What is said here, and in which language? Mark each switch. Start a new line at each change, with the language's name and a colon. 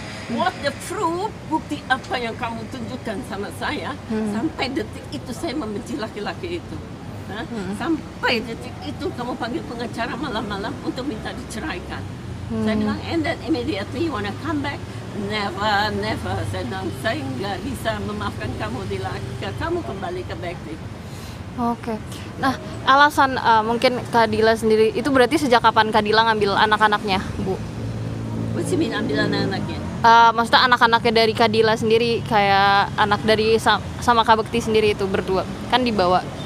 English: What the proof,
Indonesian: bukti apa yang kamu tunjukkan sama saya, sampai detik itu saya membenci laki-laki itu. Sampai detik itu kamu panggil pengacara malam-malam untuk minta diceraikan. Saya bilang,
English: and then immediately you wanna come back? Never.
Indonesian: Saya bilang, saya nggak bisa memaafkan kamu di laki-laki. Kamu kembali ke Becky. Okay. Nah, alasan mungkin Kak Dila sendiri, itu berarti sejak kapan Kak Dila ngambil anak-anaknya, Bu?
English: What do you mean
Indonesian: ambil anak-anaknya? Maksudnya anak-anaknya dari Kak Dila sendiri, kayak anak dari sama Kak Bekti sendiri itu berdua, kan dibawa?